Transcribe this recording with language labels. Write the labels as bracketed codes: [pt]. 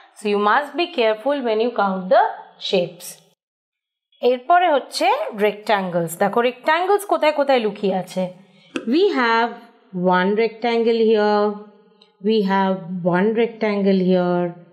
[en] So you must be careful when you count the shapes. [bn] এরপরে হচ্ছে rectangles. দেখো rectangles কোথায় কোথায় লুকিয়ে আছে? [en] We have one rectangle here. We have one rectangle here.